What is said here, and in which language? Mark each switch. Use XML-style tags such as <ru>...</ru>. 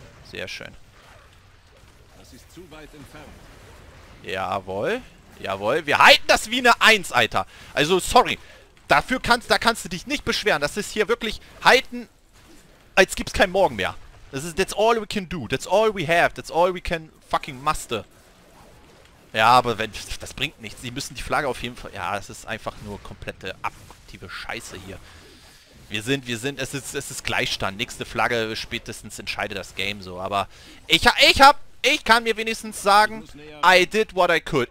<de>Sehr schön. Ist zu weit entfernt. Jawohl. Jawohl. Wir halten das wie eine 1, Alter. Also, sorry. Da kannst du dich nicht beschweren. Das ist hier wirklich halten, als gibt's kein Morgen mehr. Das ist,</de> <en>that's all we can do. That's all we have. That's all we can fucking muster.</en> <de>Ja, aber wenn, das bringt nichts. Sie müssen die Flagge auf jeden Fall, ja, es ist einfach nur komplette abduktive Scheiße hier. Es ist Gleichstand. Nächste Flagge, spätestens entscheide das Game so. Aber ich kann mir wenigstens sagen,</de> <en>I did what I could.</en>